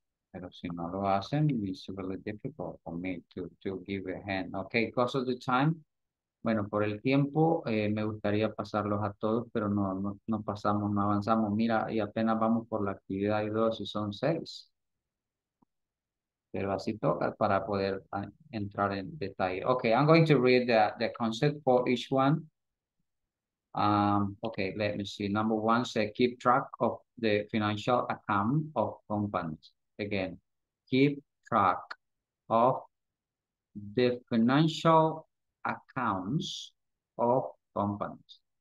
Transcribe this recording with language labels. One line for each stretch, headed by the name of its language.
Spanish: Pero si no lo hacen,
English: it's really difficult for me to give a hand. Okay, because of the time.
Spanish: Bueno, por el tiempo, me gustaría pasarlos a todos, pero no pasamos, no avanzamos. Mira, y apenas vamos por la actividad 2 y son 6. Pero así toca para poder entrar en detalle.
English: Okay, I'm going to read the concept for each one. Okay, let me see. Number 1 says, keep track of the financial account of companies. Again, keep track of the financial accounts of companies.